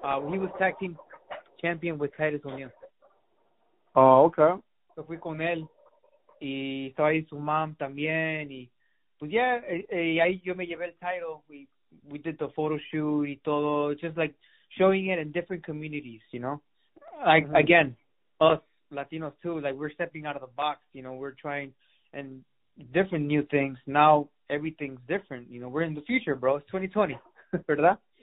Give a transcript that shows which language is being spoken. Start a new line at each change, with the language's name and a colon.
English: He was tag team champion with Titus O'Neil. Oh, okay.
Spanish: So fui con él y estaba ahí su mom también y pues ya ahí yo me llevé el title.
English: We did the photo shoot
Spanish: y todo,
English: just like showing it in different communities, you know? Like, mm-hmm. again, us Latinos too, like, we're stepping out of the box, you know, we're trying and different new things. Now everything's different, you know, we're in the future, bro. It's 2020, ¿verdad?